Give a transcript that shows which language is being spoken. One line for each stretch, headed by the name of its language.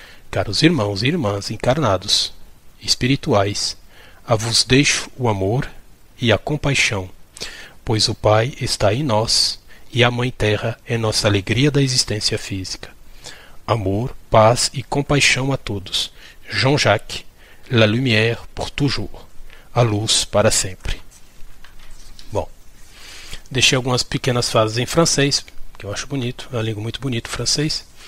Portuguese: Caros irmãos e irmãs encarnados espirituais, a vos deixo o amor e a compaixão, pois o Pai está em nós e a Mãe Terra é nossa alegria da existência física. Amor, paz e compaixão a todos.
French: Jean-Jacques, la lumière pour toujours.
Portuguese: A luz para sempre. Bom, deixei algumas pequenas frases em francês, que eu acho bonito, é uma língua muito bonita o francês.